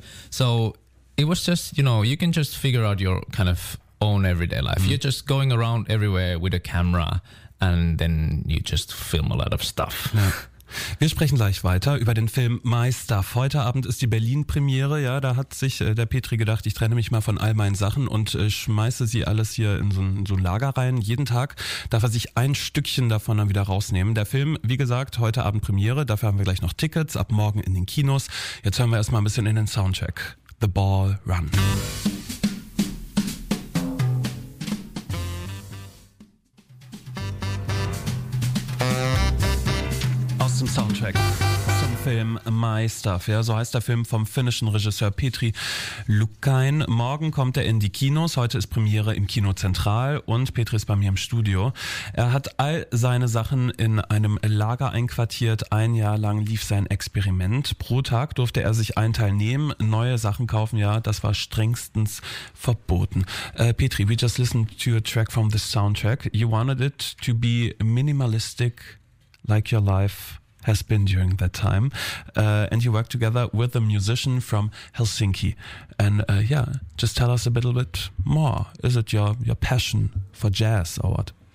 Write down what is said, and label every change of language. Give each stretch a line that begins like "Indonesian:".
English: So it was just, you know, you can just figure out your kind of own everyday life. Mm. You're just going around everywhere with a camera, and then you just film a lot of stuff.
German: Ja. Wir sprechen gleich weiter über den Film My Stuff. Heute Abend ist die Berlin-Premiere. Ja, da hat sich der Petri gedacht, ich trenne mich mal von all meinen Sachen und schmeiße sie alles hier in so ein Lager rein. Jeden Tag darf er sich ein Stückchen davon dann wieder rausnehmen. Der Film, wie gesagt, heute Abend Premiere. Dafür haben wir gleich noch Tickets, ab morgen in den Kinos. Jetzt hören wir erstmal ein bisschen in den Soundcheck. The Ball Run. Soundtrack zum Film My Stuff. Ja, so heißt der Film vom finnischen Regisseur Petri Lukkain. Morgen kommt er in die Kinos. Heute ist Premiere im Kino Zentral und Petri ist bei mir im Studio. Er hat all seine Sachen in einem Lager einquartiert. Ein Jahr lang lief sein Experiment. Pro Tag durfte er sich einen Teil nehmen, neue Sachen kaufen. Ja, das war strengstens verboten.
English: Petri, we just listened to a track from the soundtrack. You wanted it to be minimalistic, like your life has been during that time. And you work together with a musician from Helsinki. And yeah, just tell us a little bit more. Is it your passion for jazz or what?